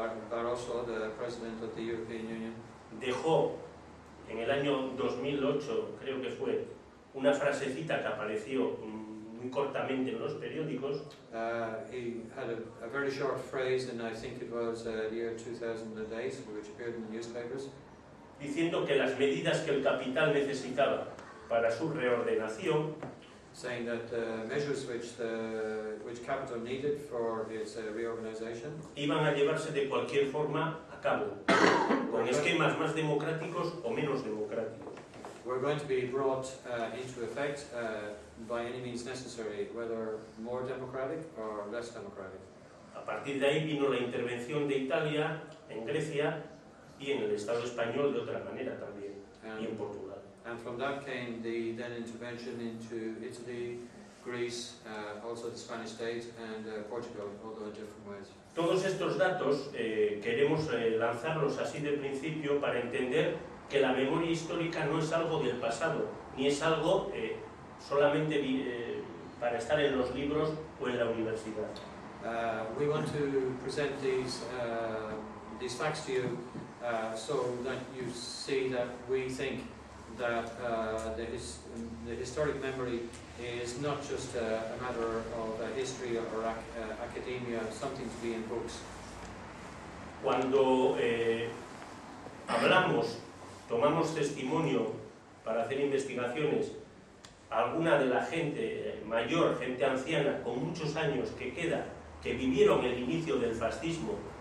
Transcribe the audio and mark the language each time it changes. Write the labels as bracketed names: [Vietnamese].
[English] Barroso, the president of the European Union, [Spanish] dejó en el año 2008, creo que fue, una frasecita que apareció muy cortamente en los periódicos. [English] He had a very short phrase, and I think it was the year 2008, which appeared in the newspapers, [Spanish] diciendo que las medidas que el capital necesitaba para su reordenación, [English] saying that the measures which capital needed for its reorganization [Spanish] iban a llevarse de cualquier forma a cabo con esquemas más democráticos o menos democráticos. [English] Were going to be brought into effect by any means necessary, whether more democratic or less democratic. [Spanish] A partir de ahí vino la intervención de Italia en Grecia y en el Estado español de otra manera también, y en Portugal. [English] And from that came the then intervention into Italy, Greece, also the Spanish state, and Portugal, although in different ways. [Spanish] Todos estos datos queremos lanzarlos así de principio para entender que la memoria histórica no es algo del pasado, ni es algo solamente para estar en los libros o en la universidad. [English] We want to present these facts to you so that you see that we think that the historic memory is not just a matter of a history or academia, something to be in books. [Spanish] Cuando hablamos, tomamos testimonio para hacer investigaciones, alguna de la gente mayor, gente anciana, con muchos años que queda, que vivieron el inicio del fascismo.